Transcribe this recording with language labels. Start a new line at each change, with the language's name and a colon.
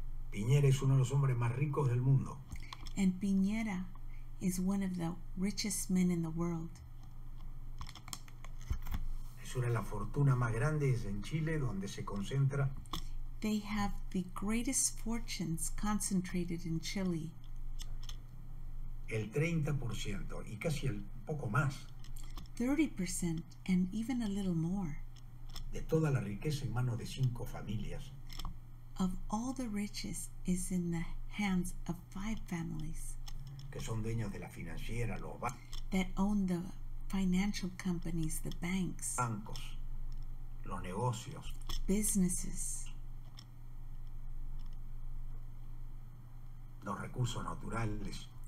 Spanish: Piñera es uno de los hombres más ricos del mundo.
English: And Piñera is one of the richest men in the world.
Spanish: Es una de las fortunas más grandes en Chile, donde se concentra.
English: They have the greatest fortunes concentrated in Chile.
Spanish: El 30% y casi el poco más.
English: 30% and even a little more.
Spanish: De toda la riqueza en manos de 5 familias.
English: Of all the riches is in the hands of 5 families.
Spanish: Que son dueños de la financiera, los bancos.
English: That own the financial companies, the banks.
Spanish: Bancos, los negocios.
English: Businesses.
Spanish: Los recursos naturales.